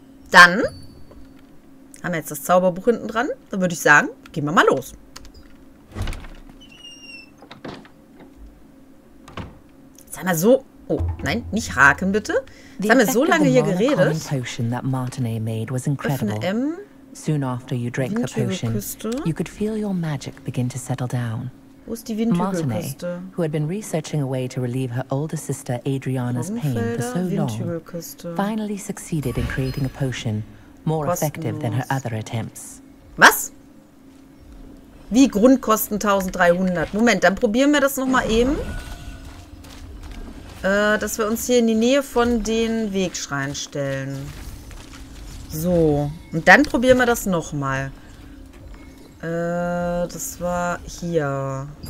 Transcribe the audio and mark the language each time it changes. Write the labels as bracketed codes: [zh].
[de] Dann haben wir jetzt das Zauberbuch hinten dran. Dann würde ich sagen, gehen wir mal los. Sag mal so... Oh, nein, nicht haken, bitte. Jetzt haben wir so lange hier geredet. Öffne M. [en] Soon after you drank the potion, you could feel your magic begin to settle down. [de] Wo ist die Windhügelküste? [en] Who had been researching a way to relieve her older sister Adriana's pain for so long, finally succeeded in creating a potion more effective than her other attempts. [de] Was? Wie Grundkosten 1300? Moment, dann probieren wir das nochmal eben. Dass wir uns hier in die Nähe von den Wegschreien stellen. So. Und dann probieren wir das nochmal. Das war hier.